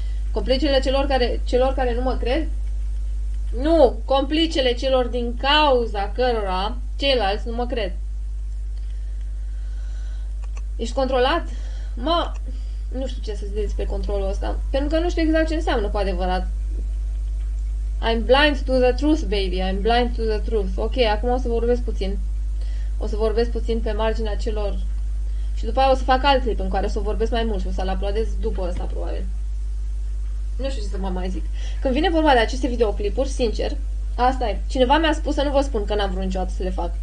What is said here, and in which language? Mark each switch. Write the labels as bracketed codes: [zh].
[ro] Complicele celor care nu mă cred? Nu, complicele celor din cauza cărora ceilalți nu mă cred. Ești controlat? Mă, nu știu ce să zic despre controlul ăsta, pentru că nu știu exact ce înseamnă cu adevărat. [en] I'm blind to the truth, baby, I'm blind to the truth. [ro] Ok, acum o să vorbesc puțin. O să vorbesc puțin pe marginea celor... Și după aia o să fac alt clip în care o să vorbesc mai mult și o să-l aplaudez după ăsta, probabil. Nu știu ce să mai zic. Când vine vorba de aceste videoclipuri, sincer, asta e. Cineva mi-a spus să nu vă spun că n-am vrut niciodată să le fac.